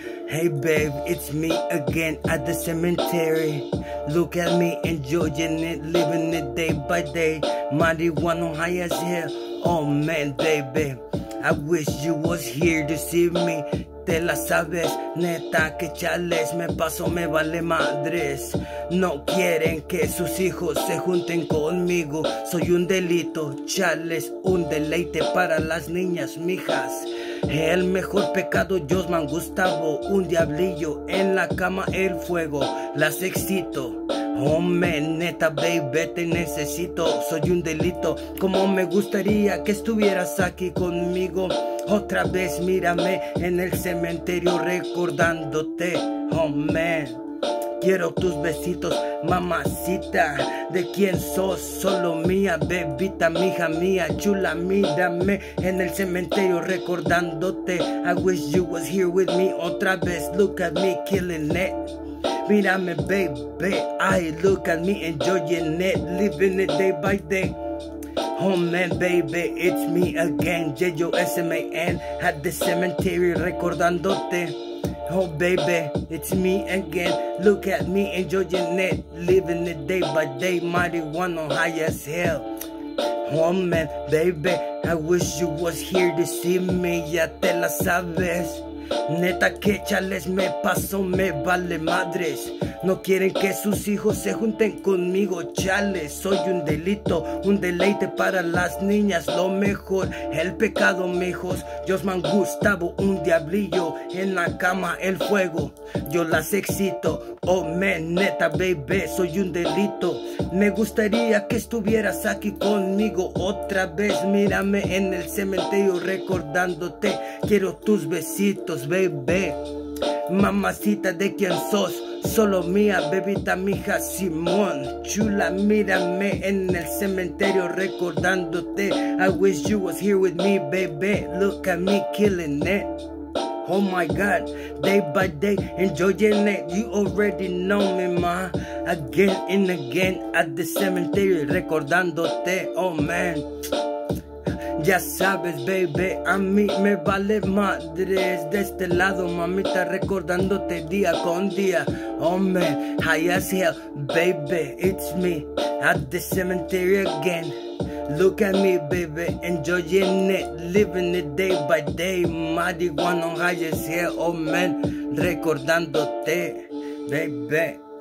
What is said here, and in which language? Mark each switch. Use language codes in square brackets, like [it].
[en] Hey babe, it's me again at the cemetery. Look at me enjoying it, living it day by day. Marijuana high as hell, oh man, baby. I wish you was here to see me. [es] Te la sabes, neta que chales, me paso, me vale madres. No quieren que sus hijos se junten conmigo. Soy un delito, chales, un deleite para las niñas, mijas. El mejor pecado, Josman Gustavo, un diablillo en la cama, el fuego, las excito. [en] Oh man, [es] neta, baby, te necesito, soy un delito. Como me gustaría que estuvieras aquí conmigo. Otra vez mírame en el cementerio recordándote. [en] Oh man, [es] quiero tus besitos, mamacita. ¿De quién sos? Solo mía, bebita, mija mía, chula, mírame en el cementerio recordándote. [en] I wish you was here with me [es] otra vez. [en] Look at me killing it. [es] Mírame, [en] baby, I look at me enjoying it, living it day by day. Oh man, baby, it's me again, J-O-S-M-A-N, at the cemetery [es] recordándote. [en] Oh baby, it's me again, look at me enjoying it, living it day by day, marijuana high as hell. Oh man, baby, I wish you was here to see me, [es] ya te la sabes. Neta que chales, me paso, me vale madres. No quieren que sus hijos se junten conmigo, chales. Soy un delito, un deleite para las niñas. Lo mejor, el pecado, mijos. Josman Gustavo, un diablillo. En la cama, el fuego, yo las excito. [en] Oh man, [es] neta, baby, soy un delito. Me gustaría que estuvieras aquí conmigo otra vez. Mírame en el cementerio recordándote. Quiero tus besitos, baby. Mamacita, ¿de quién sos? Solo mía, bebita, mija, Simón. Chula, mírame en el cementerio recordándote. [en] I wish you was here with me, baby. Look at me killing it. Oh my God, day by day, enjoying it. You already know me, ma. Again and again at the cemetery [es] recordándote. [en] Oh man, [es] ya sabes, baby, a mí me vale madres. De este lado, mamita, recordándote día con día. [en] Oh man, high as hell, baby, it's me at the cemetery again. Look at me, baby, enjoying it, living it day by day. Marijuana on high as hell, oh man, [es] recordándote, [en] baby.